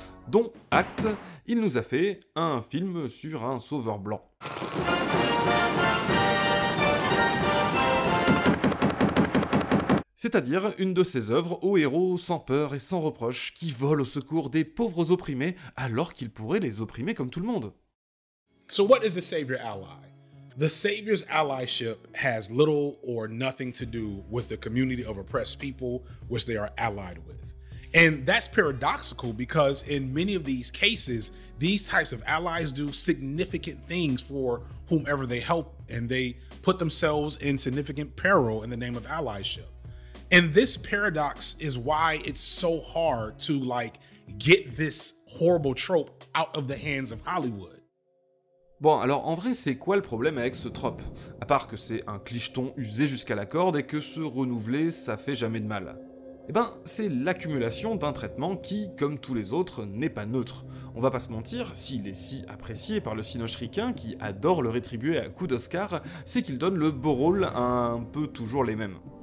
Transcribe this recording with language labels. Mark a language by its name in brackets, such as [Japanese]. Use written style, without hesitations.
[French] Dont, acte, il nous a fait un film sur un sauveur blanc. C'est-à-dire une de ses œuvres aux héros sans peur et sans reproche, qui volent au secours des pauvres opprimés alors qu'ils pourraient les opprimer comme tout le monde. [English] So what is the savior ally? The savior's allyship has little or nothing to do with the community of oppressed people which they are allied with. And that's paradoxical because in many of these cases, these types of allies do significant things for whomever they help, and they put themselves in significant peril in the name of allyship. And this paradox is why it's so hard to like get this horrible trope out of the hands of Hollywood. [French] Bon, alors en vrai, c'est quoi le problème avec ce trope? À part que c'est un clicheton usé jusqu'à la corde et que se renouveler, ça fait jamais de mal. Eh ben, c'est l'accumulation d'un traitement qui, comme tous les autres, n'est pas neutre. On va pas se mentir, s'il est si apprécié par le cinoshriquin qui adore le rétribuer à coups d'Oscar, c'est qu'il donne le beau rôle à un peu toujours les mêmes.